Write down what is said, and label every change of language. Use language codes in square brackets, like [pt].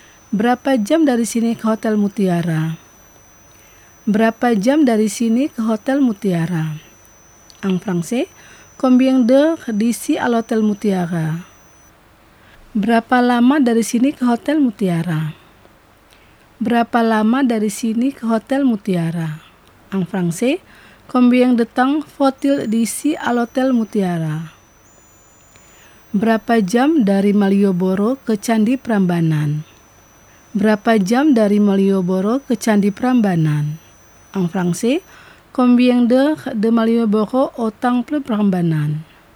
[id] Berapa jam dari sini ke Hotel Mutiara? Berapa jam dari sini ke Hotel Mutiara? [fr] En français, combien d'heures d'ici à l'Hotel Mutiara? [id] Berapa lama dari sini ke Hotel Mutiara? Berapa lama dari sini ke Hotel Mutiara? [fr] En français, combien de temps faut-il d'ici à l'Hotel Mutiara? [id] Berapa jam dari Malioboro ke Candi Prambanan? Berapa jam dari Malioboro ke Candi Prambanan? [fr] En français, combien d'heures de Malioboro au Temple Prambanan?